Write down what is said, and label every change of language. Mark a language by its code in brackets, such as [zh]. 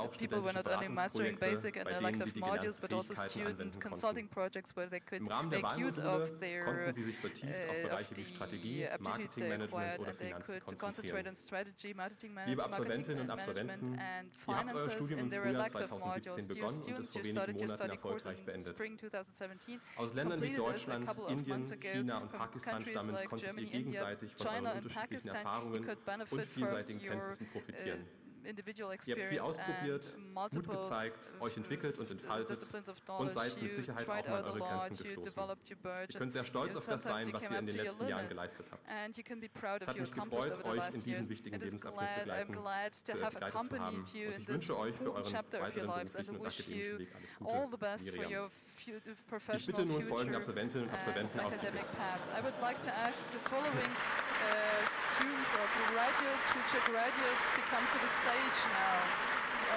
[en] People were not only mastering basic and elective modules, but also student consulting projects where they could make use of their aptitudes they acquired and they could concentrate on strategy, marketing management and finances in their elective modules. Dear students, you started your study course Spring 2017. [de] Aus Ländern wie Deutschland, Indien, China und Pakistan stammen, konntet ihr gegenseitig von euren unterschiedlichen Erfahrungen und vielseitigen Kenntnissen profitieren. Ihr habt viel ausprobiert, Mut gezeigt, euch entwickelt und entfaltet und seid mit Sicherheit auch mal an eure Grenzen gestoßen. Ihr könnt sehr stolz auf das sein, was ihr in den letzten Jahren geleistet habt. Es hat mich gefreut, euch in diesem wichtigen Lebensabschnitt begleitet zu haben. Und ich wünsche euch für euren weiteren beruflichen und akademischen Weg alles Gute. Ich bitte nun folgende Absolventinnen und Absolventen auf die Bühne. [en] I would like to ask the following students or graduates, future graduates, to come to the stage now.